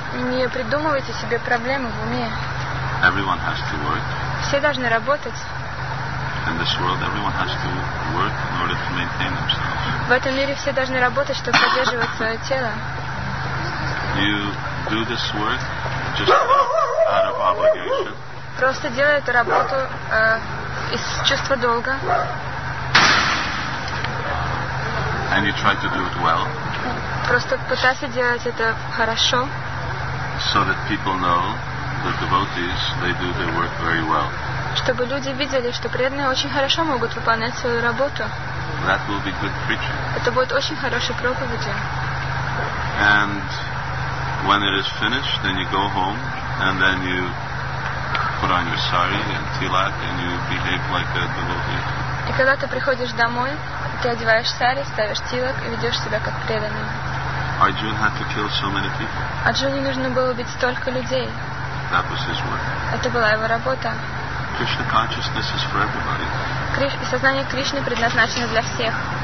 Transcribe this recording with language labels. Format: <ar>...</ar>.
<ru>Не придумывайте себе проблемы в уме.</ru> <en>Everyone has to work.</en> <ru>Все должны работать.</ru> <en>In this world, everyone has to work in order to maintain themselves.</en> <ru>В этом мире все должны работать, чтобы поддерживать свое тело.</ru> <en>You do this work just out of obligation.</en> <ru>Просто делай эту работу из чувства долга.</ru> <en>And you try to do it well.</en> <ru>Просто пытайся делать это хорошо.</ru> <en>So that people know the devotees, they do their work very well.</en> <ru>Чтобы люди видели, что преданные очень хорошо могут выполнять свою работу.</ru> <en>That will be good preaching.</en> <ru>Это будет очень хорошей проповедью.</ru> <en>And when it is finished, then you go home and then you put on your sari and tilak and you behave like a devotee.</en> <ru>И когда ты приходишь домой, ты одеваешь сари, ставишь тилак и ведешь себя как преданный.</ru> <en>Arjuna had to kill so many people.</en> <ru>Арджуне нужно было убить столько людей.</ru> <en>That was his work.</en> <ru>Это была его работа.</ru> <en>Krishna consciousness is for everybody.</en> <ru>Сознание Кришны предназначено для всех.</ru>